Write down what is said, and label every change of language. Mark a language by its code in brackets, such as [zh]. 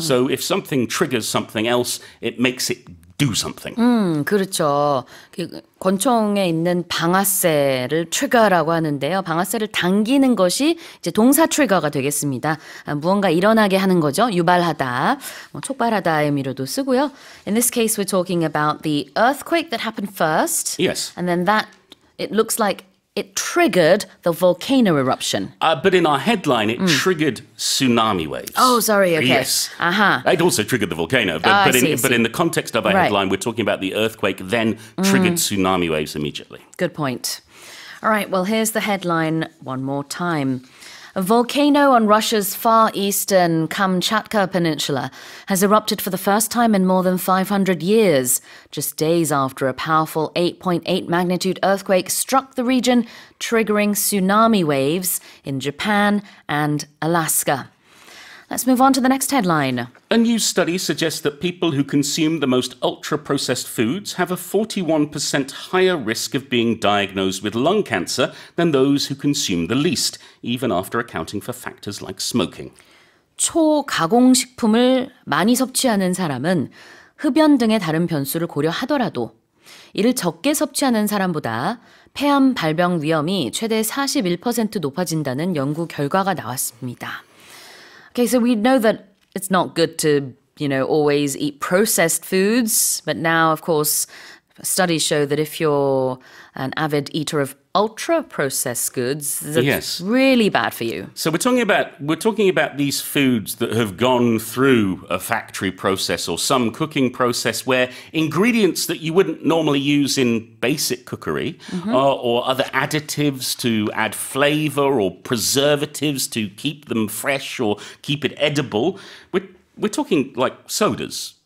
[en] So if something triggers something else, it makes it do something. [ko] 그렇죠. 권총에 있는 방아쇠를 trigger라고 하는데요. 방아쇠를 당기는 것이 이제 동사 trigger가 되겠습니다. 무언가 일어나게 하는 거죠. 유발하다, 뭐 촉발하다 의미로도 쓰고요. [en] In this case, we're talking about the earthquake that happened first. Yes. And then it looks like it triggered the volcano eruption. But in our headline, it triggered tsunami waves. Oh, sorry, okay. Yes. Uh-huh. It also triggered the volcano. But in the context of our headline, we're talking about the earthquake then triggered tsunami waves immediately. Good point. All right, well, here's the headline one more time. A volcano on Russia's far eastern Kamchatka Peninsula has erupted for the first time in more than 500 years, just days after a powerful 8.8 magnitude earthquake struck the region, triggering tsunami waves in Japan and Alaska. Let's move on to the next headline. A new study suggests that people who consume the most ultra-processed foods have a 41% higher risk of being diagnosed with lung cancer than those who consume the least, even after accounting for factors like smoking. [ko] 초가공식품을 많이 섭취하는 사람은 흡연 등의 다른 변수를 고려하더라도 이를 적게 섭취하는 사람보다 폐암 발병 위험이 최대 41% 높아진다는 연구 결과가 나왔습니다. [en] Okay, so we know that it's not good to, you know, always eat processed foods. But now, of course, studies show that if you're an avid eater of ultra-processed goods, that's really bad for you. So we're talking about these foods that have gone through a factory process or some cooking process where ingredients that you wouldn't normally use in basic cookery or other additives to add flavor or preservatives to keep them fresh or keep it edible. We're talking like sodas,